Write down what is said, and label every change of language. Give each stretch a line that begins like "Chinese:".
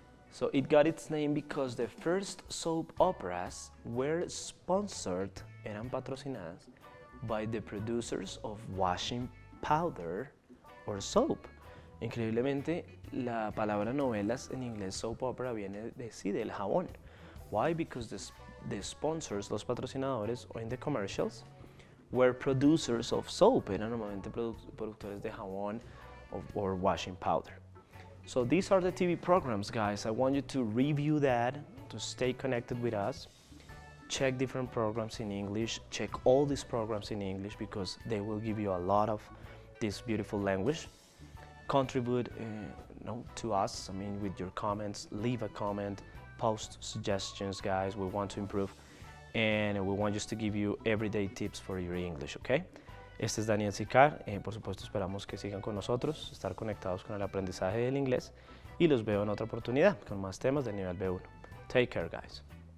English: So it got its name because the first soap operas were sponsored,
Spanish: eran patrocinadas,
English: by the producers of washing powder or soap.
Spanish: Increíblemente, la palabra novelas en inglés, soap opera, viene de sí, del jabón.
English: Why? Because the sponsors,
Spanish: los patrocinadores,
English: or in the commercials, were producers of soap,
Spanish: eran normalmente productores de jabón
English: or washing powder. So these are the TV programs, guys. I want you to review that, to stay connected with us. Check different programs in English. Check all these programs in English because they will give you a lot of this beautiful language. Contribute to us, I mean, with your comments. Leave a comment, post suggestions, guys. We want to improve. And we want just to give you everyday tips for your English, okay?
Spanish: Este es Daniel Sicar, por supuesto esperamos que sigan con nosotros, estar conectados con el aprendizaje del inglés y los veo en otra oportunidad con más temas de nivel B1.
English: Take care, guys.